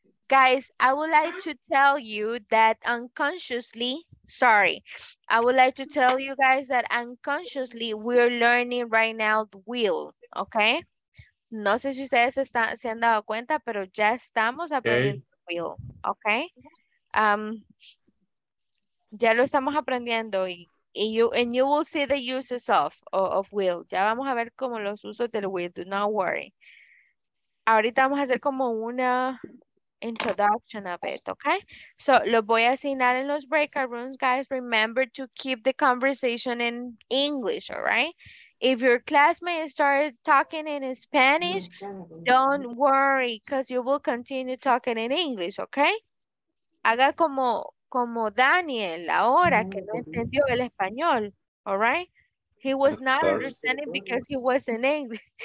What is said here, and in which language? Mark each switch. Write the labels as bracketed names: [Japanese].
[English] Guys, I would like to tell you that unconsciously, sorry, I would like to tell you guys that unconsciously we're learning right now the wheel, okay? [Spanish] No sé si ustedes están, se han dado cuenta, pero ya estamos aprendiendo okay. [English] Wheel, okay? [Spanish] Ya lo estamos aprendiendo y [English] you will see the uses of wheel. [Spanish] Ya vamos a ver como los usos del wheel, [English] do not worry. [Spanish] Ahorita vamos a hacer como una [English] introduction of it, [Spanish] okay? So, lo voy a asignar en los breakout rooms, guys. [English] Remember to keep the conversation in English, all right? If your classmate started talking in Spanish, don't worry, because you will continue talking in English, okay? [Spanish] Haga como Daniel, ahora que no entendió el español, [English] all right? He was not understanding because he was in English.